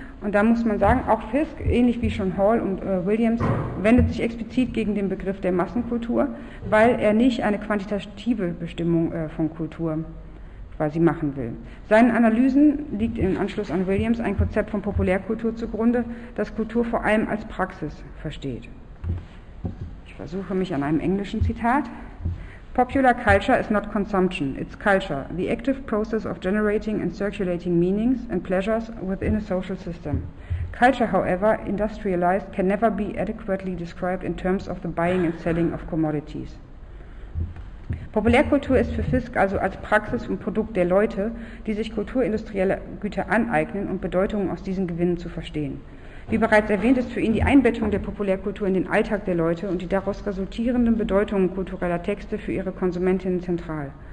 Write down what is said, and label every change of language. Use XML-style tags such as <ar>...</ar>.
<de>Und da muss man sagen, auch Fisk, ähnlich wie schon Hall und Williams, wendet sich explizit gegen den Begriff der Massenkultur, weil er nicht eine quantitative Bestimmung von Kultur quasi machen will. Seinen Analysen liegt im Anschluss an Williams ein Konzept von Populärkultur zugrunde, das Kultur vor allem als Praxis versteht. Ich versuche mich an einem englischen Zitat.</de> <en>Popular culture is not consumption, it's culture, the active process of generating and circulating meanings and pleasures within a social system. Culture, however, industrialized, can never be adequately described in terms of the buying and selling of commodities.</en> <de>Populärkultur ist für Fisk also als Praxis und Produkt der Leute, die sich kulturindustrielle Güter aneignen und Bedeutungen aus diesen Gewinnen zu verstehen. Wie bereits erwähnt, ist für ihn die Einbettung der Populärkultur in den Alltag der Leute und die daraus resultierenden Bedeutungen kultureller Texte für ihre Konsumentinnen zentral.</de>